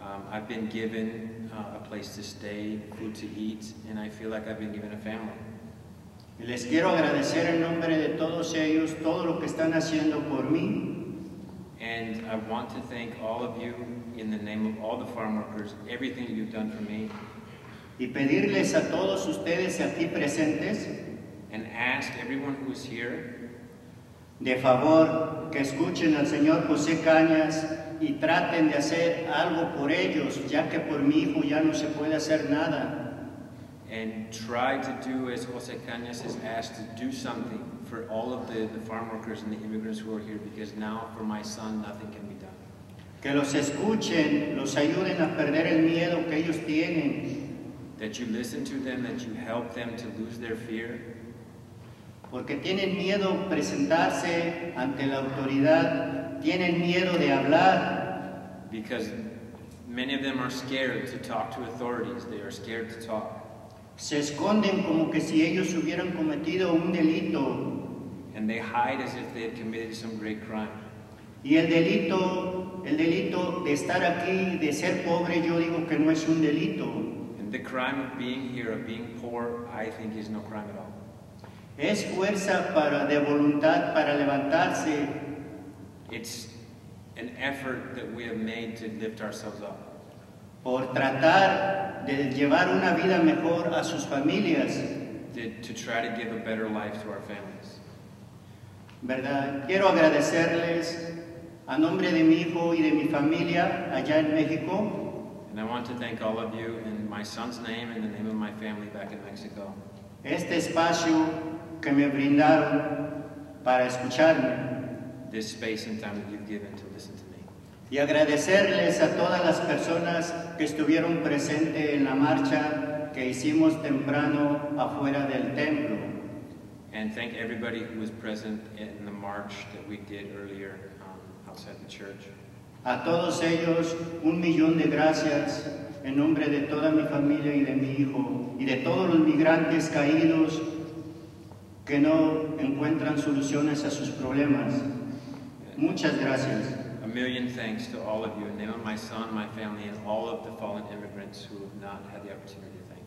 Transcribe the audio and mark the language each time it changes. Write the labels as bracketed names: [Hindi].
[English] I've been given a place to stay, food to eat, and I feel like I've been given a family. [Spanish] Les quiero agradecer en nombre de todos ellos todo lo que están haciendo por mí. [English] And I want to thank all of you in the name of all the farm workers, everything you've done for me. [Spanish] Y pedirles a todos ustedes aquí presentes, [English] and ask everyone who is here, [Spanish] de favor que escuchen al señor José Cañas y traten de hacer algo por ellos, ya que por mi hijo ya no se puede hacer nada. [English] And try to do as José Cañas has asked, to do something for all of the farm workers and the immigrants who are here, because now for my son nothing can be done. [Spanish] Que los escuchen, los ayuden a perder el miedo que ellos tienen. [English] That you listen to them, that you help them to lose their fear. [Spanish] Porque tienen miedo presentarse ante la autoridad, tienen miedo de hablar. [English] Because many of them are scared to talk to authorities, they are scared to talk. [Spanish] Se esconden como que si ellos hubieran cometido un delito. [English] And they hide as if they had committed some great crime. [Spanish] Y el delito de estar aquí, de ser pobre, yo digo que no es un delito. [English] The crime of being here, of being poor, I think is no crime at all. [Spanish] Es fuerza para de voluntad para levantarse. [English] It's an effort that we have made to lift ourselves up. [Spanish] Por tratar de llevar una vida mejor a sus familias. [English] To try to give a better life to our families. [Spanish] Verdad, quiero agradecerles a nombre de mi hijo y de mi familia allá en México. [English] And I want to thank all of you in my son's name and the name of my family back in Mexico. [Spanish] Este espacio que me brindaron para escucharme. [English] This space and time that you've given to listen to me. [Spanish] Y agradecerles a todas las personas que estuvieron presentes en la marcha que hicimos temprano afuera del templo. [English] And thank everybody who was present in the march that we did earlier outside the church. [Spanish] A todos ellos, un millón de gracias en nombre de toda mi familia y de mi hijo y de todos los migrantes caídos que no encuentran soluciones a sus problemas. Muchas gracias. [English] A million thanks to all of you in the name of my son, my family, and all of the fallen immigrants who have not had the opportunity.